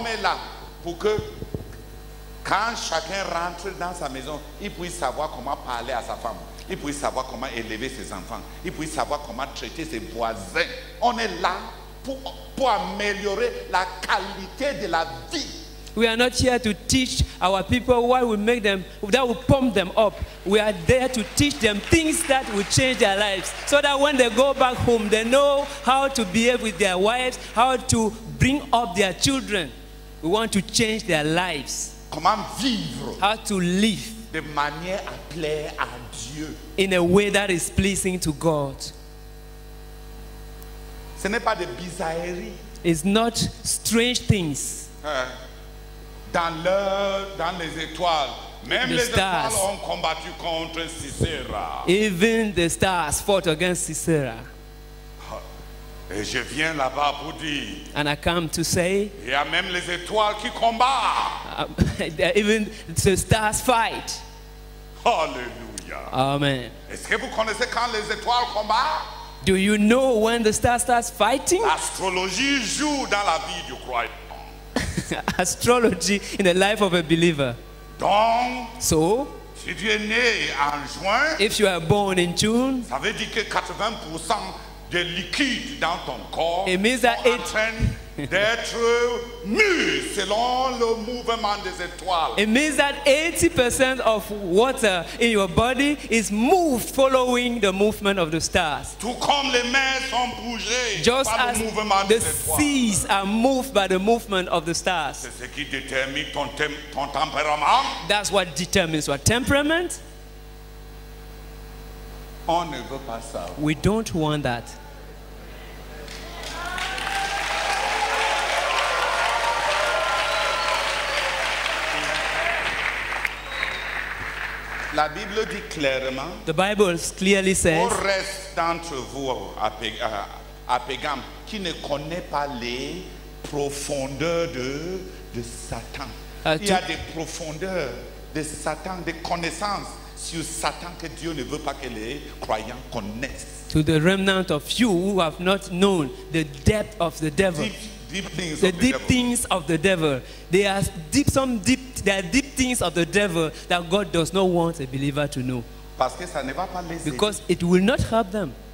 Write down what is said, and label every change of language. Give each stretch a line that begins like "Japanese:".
French: On est là pour que quand chacun rentre dans sa maison, il puisse savoir comment parler à sa femme, il puisse savoir comment élever ses enfants, il puisse savoir comment traiter ses voisins. On est là pour améliorer la qualité de la vie.
English: We are not here to teach our people what will make them, that will pump them up. We are there to teach them things that will change their lives, so that when they go back home, they know how to behave with their wives, how to bring up their children. We want to change their lives.
French: Comment vivre?
English: How to live?
French: De manière à plaire à Dieu.
English: In a way that is pleasing to God.
French: Ce n'est pas de bizarrerie.
English: It's not strange things.
French: Dans les étoiles, même les étoiles ont combattu contre Sisera.
English: Even the stars fought against Sisera.
French: Et je viens là-bas pour dire.
English: And I come to say.
French: Il y a même les étoiles qui combattent.
English: Even the stars fight. Hallelujah. Amen.
French: Est-ce que vous connaissez quand les étoiles combattent?
English: Do you know when the star starts fighting?
French: Astrology joue dans la vie du croyant.
English: Astrology in the life of a believer.
French: Donc,
English: so,
French: si tu es né en juin,
English: if you are born in June,
French: ça veut dire que 80% de liquide dans ton corps
English: it means that
French: en train d'être mu selon le mouvement des étoiles.
English: It means that 80% of water in your body is moved following the movement of the stars.
French: Tout comme les mers sont bougées
English: just
French: par
English: as
French: le mouvement
English: the
French: des étoiles.
English: Seas are moved by the movement of the stars.
French: C'est ce qui détermine ton tempérament.
English: That's what determines your temperament.
French: On ne veut pas ça.
English: We don't want that.
French: La Bible dit clairement.
English: The Bible clearly says.
French: Au reste d'entre vous à Pégame, qui ne connaît pas les profondeurs de Satan. Il y a des profondeurs de Satan, des connaissances sur Satan que Dieu ne veut pas que les croyants connaissent.
English: To the remnant of you who have not known the depth of the devil. The deep things of the devil. There are deep things of the devil that God does not want a believer to know.
French: Parce que ça ne va pas les
English: because it will not help them.